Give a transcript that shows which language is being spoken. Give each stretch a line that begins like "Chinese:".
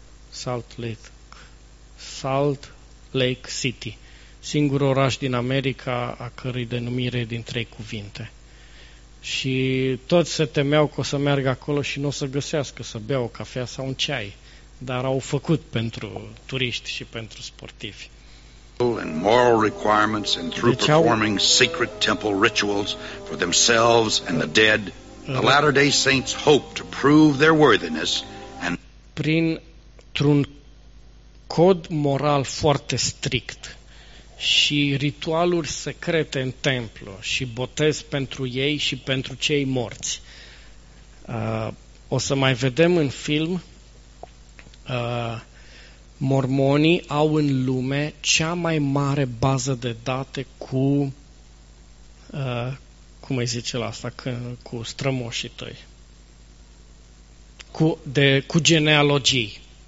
Romanian: Salt Lake City, singur oraș din America a cărui denumire din trei cuvinte. Și toți se temeau că o să meargă acolo și nu o să găsească să bea o cafea sau un ceai, dar au făcut pentru turiști și pentru sportivi.
English: And moral requirements and through performing secret temple rituals for themselves and the dead, the Latter-day Saints hope to prove their worthiness and
Romanian: prin cod moral foarte strict și ritualuri secrete în templu și botez pentru ei și pentru cei morți. O să mai vedem în film, mormonii au în lume cea mai mare bază de date cu cum îi zice la asta, cu strămoșii tăi, cu genealogii.